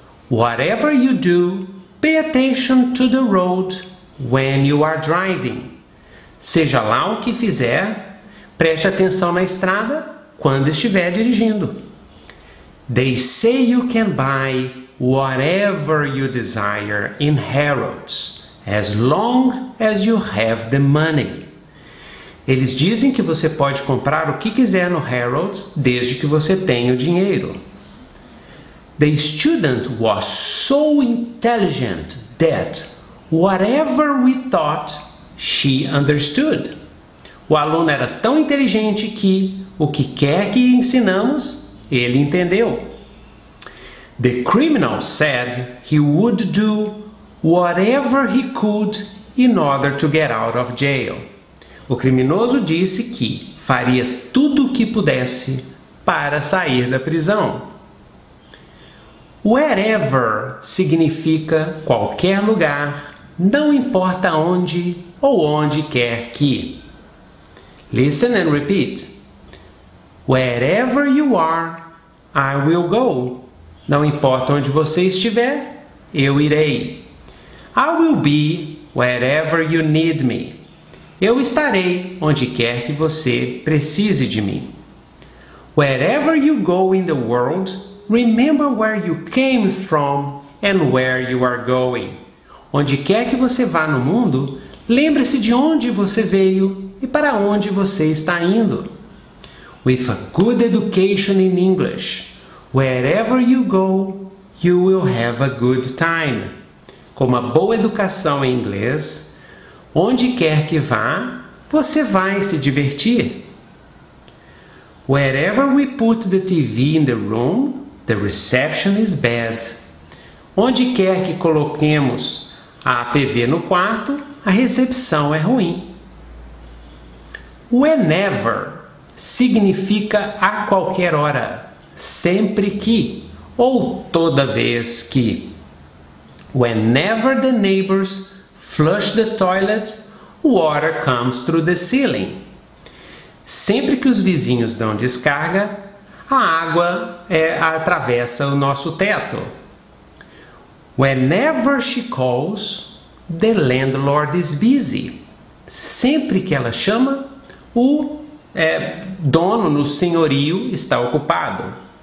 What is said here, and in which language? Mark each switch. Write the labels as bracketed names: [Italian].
[English] Whatever you do, pay attention to the road when you are driving. [Portuguese] Seja lá o que fizer, preste atenção na estrada quando estiver dirigindo. [English] They say you can buy whatever you desire in Harrods, as long as you have the money. [Portuguese] Eles dizem que você pode comprar o que quiser no Harrods, desde que você tenha o dinheiro. [English] The student was so intelligent that whatever we thought, she understood. [Portuguese] O aluno era tão inteligente que o que quer que ensinamos, ele entendeu. [English] The criminal said he would do whatever he could in order to get out of jail. [Portuguese] O criminoso disse que faria tudo o que pudesse para sair da prisão. Wherever significa qualquer lugar, não importa onde ou onde quer que. [English] Listen and repeat. Wherever you are, I will go. [Portuguese] Não importa onde você estiver, eu irei. [English] I will be wherever you need me. [Portuguese] Eu estarei onde quer que você precise de mim. [English] Wherever you go in the world, remember where you came from and where you are going. [Portuguese] Onde quer que você vá no mundo, lembre-se de onde você veio e para onde você está indo. [English] With a good education in English, wherever you go, you will have a good time. [Portuguese] Com uma boa educação em inglês, onde quer que vá, você vai se divertir. [English] Wherever we put the TV in the room, the reception is bad. [Portuguese] Onde quer que coloquemos a TV no quarto, a recepção é ruim. Whenever significa a qualquer hora, sempre que, ou toda vez que. [English] Whenever the neighbors flush the toilet, water comes through the ceiling. [Portuguese] Sempre que os vizinhos dão descarga, a água atravessa o nosso teto. [English] Whenever she calls, the landlord is busy. [Portuguese] Sempre que ela chama, o dono no senhorio está ocupado.